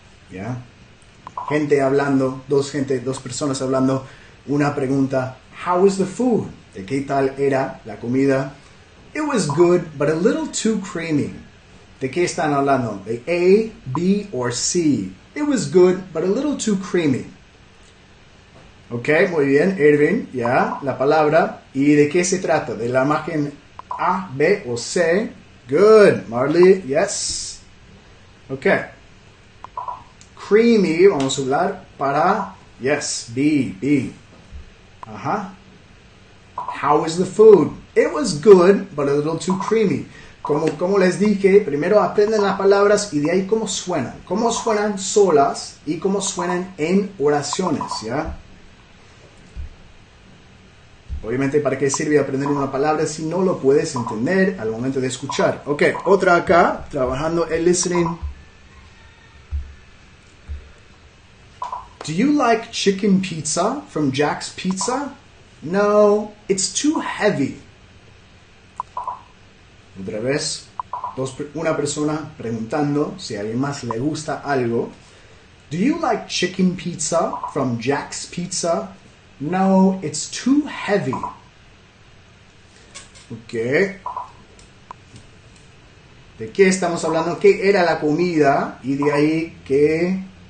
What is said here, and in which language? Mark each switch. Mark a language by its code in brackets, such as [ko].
[es] Yeah. Gente hablando, dos personas hablando, una pregunta. [en] How was the food? [es] ¿De qué tal era la comida? [en] It was good, but a little too creamy. [es] ¿De qué están hablando? [en] ¿De A, B, or C? It was good, but a little too creamy. [es] Ok, muy bien, Irving, ya, yeah, la palabra. ¿Y de qué se trata? ¿De la imagen A, B, o C? [en] Good, Marley, yes. Ok. Creamy, [es] vamos a hablar para, [en] yes, B. Ajá. How is the food? It was good, but a little too creamy. [es] Como les dije, primero aprenden las palabras y de ahí cómo suenan. Cómo suenan solas y cómo suenan en oraciones, ¿ya? Obviamente, ¿para qué sirve aprender una palabra si no lo puedes entender al momento de escuchar? Ok, otra acá, trabajando el listening. [en] Do you like chicken pizza from Jack's Pizza? No, it's too heavy. [es] Otra vez, una persona preguntando si a alguien más le gusta algo. [en] Do you like chicken pizza from Jack's Pizza? No, it's too heavy. Ok. [es] ¿De qué estamos hablando? ¿Qué era la comida? Y de ahí, ¿qué?